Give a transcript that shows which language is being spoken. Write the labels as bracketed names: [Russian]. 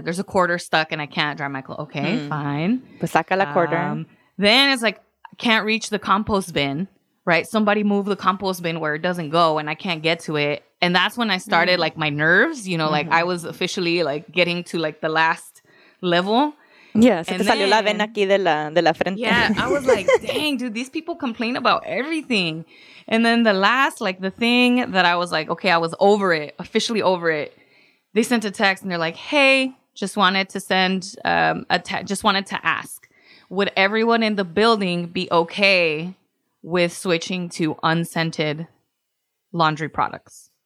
[English] There's a quarter stuck and I can't dry my clothes. Okay, fine. [Spanish] Pues saca la quarter. [English] Then it's like, I can't reach the compost bin, right? Somebody move the compost bin where it doesn't go and I can't get to it. And that's when I started, like, my nerves, you know, like, I was officially, like, getting to, like, the last level. [Spanish] Yeah, se te salió la vena aquí de la frente. [English] Yeah, I was like, dang, dude, these people complain about everything. And then the last, like, the thing that I was like, okay, I was over it, officially over it. They sent a text and they're like, hey, just wanted to send a text, just wanted to ask, would everyone in the building be okay with switching to unscented laundry products?